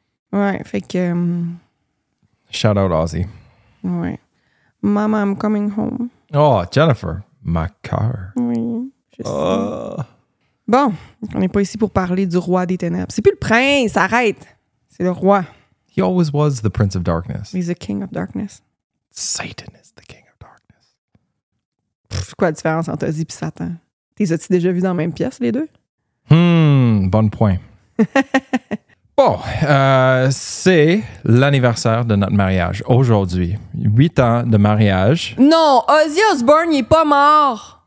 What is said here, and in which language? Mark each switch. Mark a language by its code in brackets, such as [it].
[fr] Ouais, fait que [en] shout out Ozzy. Ouais. Mama, I'm coming home. Oh, Jennifer, my car. [fr] Oui, je sais. Bon, on n'est pas ici pour parler du roi des ténèbres. C'est plus le prince, arrête. C'est le roi. [en] He always was the prince of darkness. He's the king of darkness. Satan is the king of darkness. [fr] C'est quoi la différence entre Ozzy et Satan? T'es as-tu déjà vu dans la même pièce, les deux? Bon point. Bon, c'est l'anniversaire de notre mariage aujourd'hui. 8 ans de mariage. Non, Ozzy Osbourne, il est pas mort.